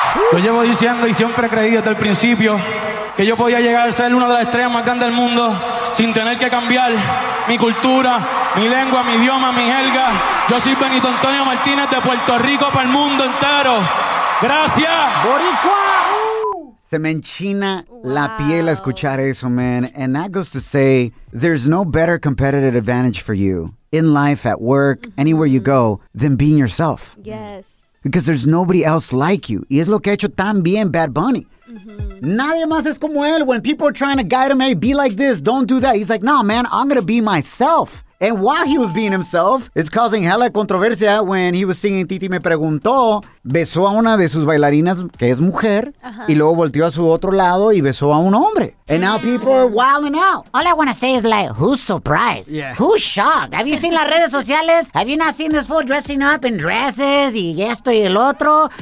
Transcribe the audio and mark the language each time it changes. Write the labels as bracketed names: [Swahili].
[Spanish] Lo llevo diciendo y siempre creí desde el principio que yo podía llegar a ser una de las estrellas más grandes del mundo sin tener que cambiar mi cultura, mi lengua, mi idioma, mi jerga. Yo soy Benito Antonio Martínez de Puerto Rico para el mundo entero. ¡Gracias! ¡Boricua! Se me enchina la piel a escuchar eso, man. [English] And that goes to say, there's no better competitive advantage for you in life, at work, anywhere you go, than being yourself. Yes. Because there's nobody else like you. [Spanish] Y es lo que ha hecho tan bien Bad Bunny. Nadie más es como él. [English] When people are trying to guide him, hey, be like this, don't do that. He's like, no, man, I'm going to be myself. And while he was being himself, it's causing hella controversia when he was singing Titi Me Preguntó. [Spanish] Besó a una de sus bailarinas, que es mujer, y luego volteó a su otro lado y besó a un hombre. [English] And now people are wilding out. All I want to say is like, who's surprised? Yeah. Who's shocked? Have you seen [Spanish] las redes sociales? [English] Have you not seen this fool dressing up in dresses [Spanish] y esto y el otro?